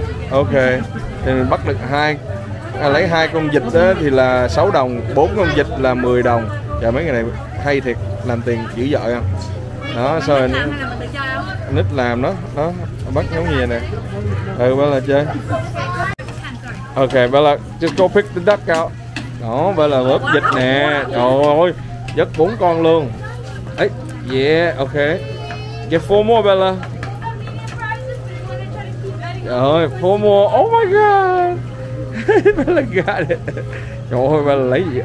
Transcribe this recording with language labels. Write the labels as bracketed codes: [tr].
[vi] Ok, thì mình bắt được lấy 2 con vịt đó thì là 6 đồng, 4 con vịt là 10 đồng. Trời, mấy người này hay thiệt, làm tiền dữ dội không? Đó, sao anh nít làm hay là mình tự chơi không? Nít làm đó, đó, bắt giống như vậy nè. Ừ, Bella chơi. [en] Ok, Bella, just go pick the duck out. [vi] Đó, Bella vớt vịt nè, trời ơi, vớt 4 con luôn. [en] Ấy, yeah, ok. Get 4 more, Bella. [vi] Trời ơi, [en] 4 more, oh my god. Bella got it. [vi] Trời ơi, Bella lấy gì?